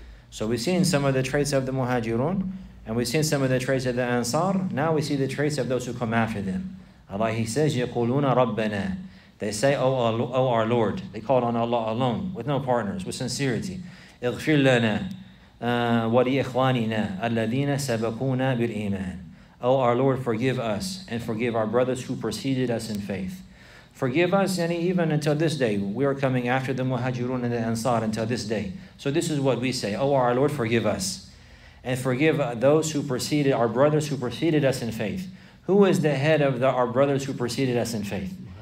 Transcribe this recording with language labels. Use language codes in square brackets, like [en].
[en] So we've seen some of the traits of the Muhajirun and we've seen some of the traits of the Ansar. Now we see the traits of those who come after them. Allah, He says, [ar] يَقُولُونَ رَبَّنَا. [en] They say, O our Lord. They call on Allah alone, with no partners, with sincerity. [ar] اغفر لنا ولإخواننا الذين سبقونا بالإيمان. [en] O our Lord, forgive us and forgive our brothers who preceded us in faith. Forgive us, and even until this day, we are coming after the Muhajirun and the Ansar until this day. So this is what we say, O our Lord, forgive us. And forgive those who preceded, our brothers who preceded us in faith. Who is the head of our brothers who preceded us in faith?